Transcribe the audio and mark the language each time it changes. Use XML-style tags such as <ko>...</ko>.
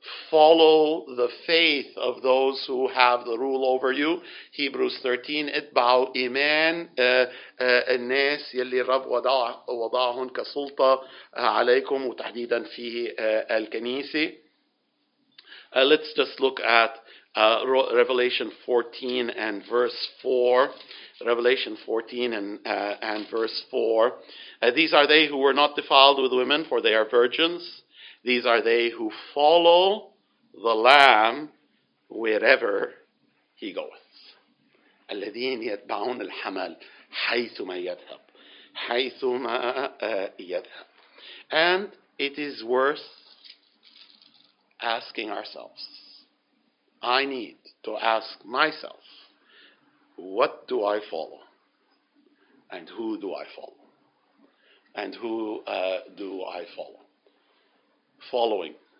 <en>Follow the faith of those who have the rule over you.</en> <ar>Hebrews 13, اتبعوا إيمان الناس يلي رب وضعهم كسلطة عليكم وتحديدا في الكنيسة.</ar> <en>Let's just look at Revelation 14 and verse 4. Revelation 14 and verse 4. These are they who were not defiled with women, for they are virgins. These are they who follow the Lamb wherever he goeth.</en> <ar>الذين يتبعون الحمل حيثما يذهب حيثما يذهب.</ar> <en>And it is worth asking ourselves. I need to ask myself, what do I follow? And who do I follow? And who do I follow? Following.</en>